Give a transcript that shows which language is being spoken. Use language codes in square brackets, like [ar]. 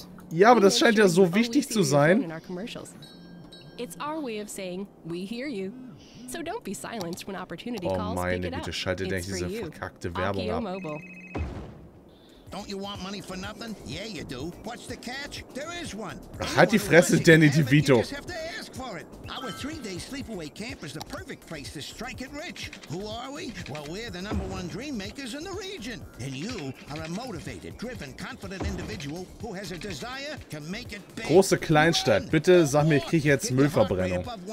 [de] Ja, aber das scheint ja so wichtig zu sein. [en] It's our way of saying we hear you. So don't be silenced when opportunity calls. [de] Oh meine Güte, schalte denn diese verkackte Werbung ab. [en] Don't you want money for nothing? Yeah, you do. What's the catch? There is one. [de] Halt die Fresse, Danny DeVito. [en] Our 3-day sleepaway camp is the perfect place to strike it rich. Who are we? Well, we're the number one dream makers in the region. And you are a motivated, driven, confident individual who has a desire to make it big. [de] Große Kleinstadt, bitte sag mir, ich kriege jetzt Müllverbrennung.